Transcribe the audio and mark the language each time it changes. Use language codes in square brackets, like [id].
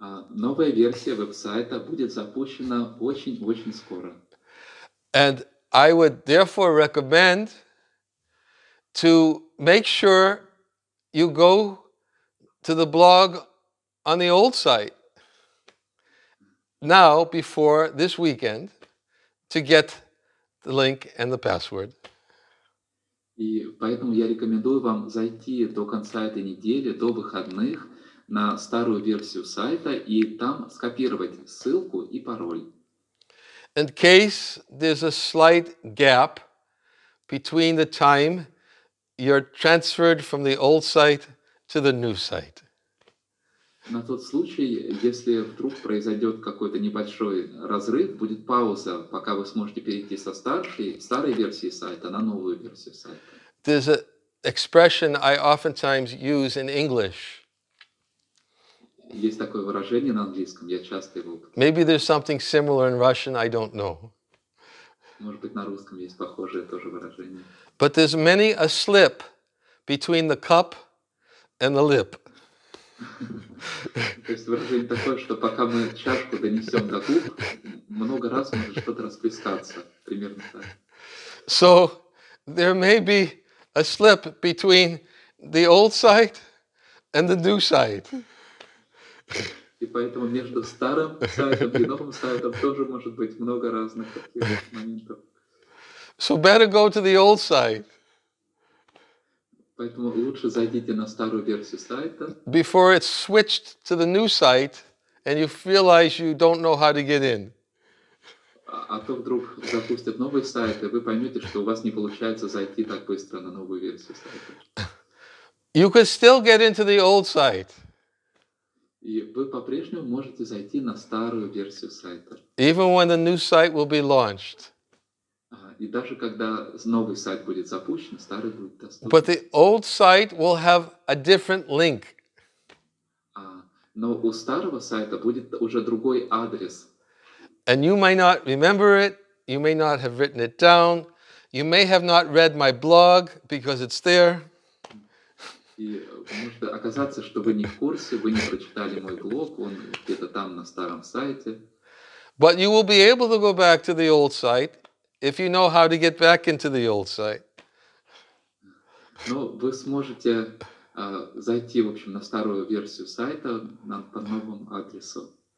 [ru] Новая версия веб-сайта будет запущена очень-очень скоро. [en] And I would therefore recommend to make sure you go to the blog on the old site now before this weekend to get the link and the password. [ru] И поэтому я рекомендую вам зайти до конца этой недели, до выходных, на старую версию сайта и там скопировать ссылку и пароль. [en] In case there's a slight gap between the time you're transferred from the old site to the new site. [ru] На тот случай, если вдруг произойдет какой-то небольшой разрыв, будет пауза, пока вы сможете перейти со старой версии сайта на новую версию сайта. [en] There's an expression I oftentimes use in English. [ru] Есть такое выражение на английском, я часто его употребляю. [en] Maybe there's something similar in Russian, I don't know. [ru] Может быть, на русском есть похожее тоже выражение. [en] But there's many a slip between the cup and the lip. [ru] То есть выражение такое, что пока мы чашку донесем до губ, много раз может что-то расплескаться, примерно так. [en] So there may be a slip between the old side and the new side. [ru] И поэтому между старым сайтом и новым сайтом тоже может быть много разных таких моментов. [en] So better go to the old side. [ru] Поэтому лучше зайдите на старую версию сайта. [en] Before it's switched to the new site and you realize you don't know how to get in. [ru] А то вдруг запустят новый сайт, и вы поймете, что у вас не получается зайти так быстро на новую версию сайта. [en] You could still get into the old site. [ru] И вы по-прежнему можете зайти на старую версию сайта. [en] Even when the new site will be launched. [ru] И даже когда новый сайт будет запущен, старый будет доступен. [en] But the old site will have a different link. [ru] Но у старого сайта будет уже другой адрес. [en] And you may not remember it, you may not have written it down, you may have not read my blog, because it's there. [ru] И может оказаться, что вы не в курсе, вы не прочитали мой блог, он где-то там на старом сайте. [en] But you will be able to go back to the old site, if you know how to get back into the old site. [ru] Но вы сможете зайти, в общем, на старую версию сайта по новому адресу.